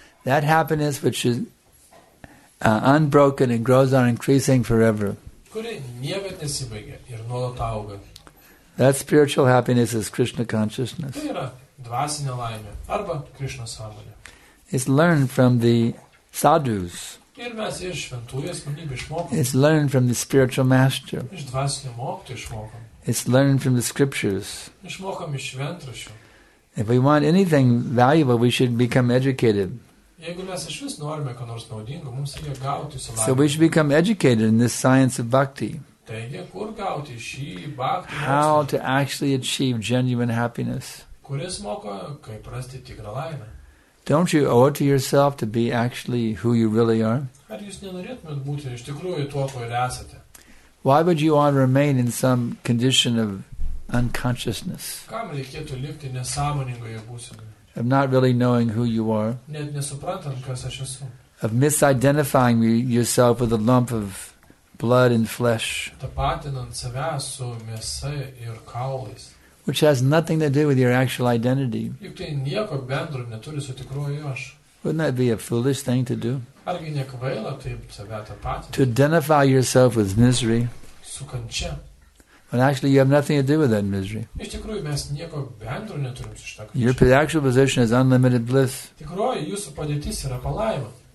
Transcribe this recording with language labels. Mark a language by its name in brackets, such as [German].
[English] That happiness which is unbroken and grows on increasing forever. [Lithuanian] Kuri niekad nesibaigia ir nuolat auga. [English] That spiritual happiness is Krishna consciousness. [Lithuanian] Tai yra dvasinė laimė arba Krishna sąmonė. [English] It's learned from the sadhus. [Lithuanian] Ir mes iš šventųjų asmenybių išmokom. [English] It's learned from the spiritual master. [Lithuanian] Iš dvasinio mokytojo išmokom. [English] It's learned from the scriptures. [Lithuanian] Išmokom iš šventraščių. [English] If we want anything valuable, we should become educated. [Lithuanian] Jeigu mes iš vis norime ką nors naudingo, mums reikia gauti savo. [English] So we should become educated in this science of bhakti. [Lithuanian] Taigi, kur gauti šį bhakti? [English] How to actually achieve genuine happiness. [Lithuanian] Kuris moko, kaip rasti tikrą laimę. [English] Don't you owe it to yourself to be actually who you really are? [Lithuanian] Ar jūs nenorėtumėt būti iš tikrųjų tuo, kuo ir esate? [English] Why would you want to remain in some condition of unconsciousness? [Lithuanian] Kam reikėtų likti nesąmoningoje būsenoje? [English] Of not really knowing who you are. [Lithuanian] Net nesuprantant, kas aš esu. [English] Of misidentifying yourself with a lump of blood and flesh. [Lithuanian] Tapatinant save su mėsa ir kaulais. [English] Which has nothing to do with your actual identity. [Lithuanian] Juk tai nieko bendro neturi su tikruoju aš. [English] Wouldn't that be a foolish thing to do? [Lithuanian] Argi nekvaila taip save tapatinti? [English] To identify yourself with misery. [Lithuanian] Su kančia. [English] But actually you have nothing to do with that misery. [Lithuanian] Iš tikrųjų mes nieko bendro neturim su šita kančia. [English] Your actual position is unlimited bliss. [Lithuanian] Tikruoju jūsų padėtis yra palaima.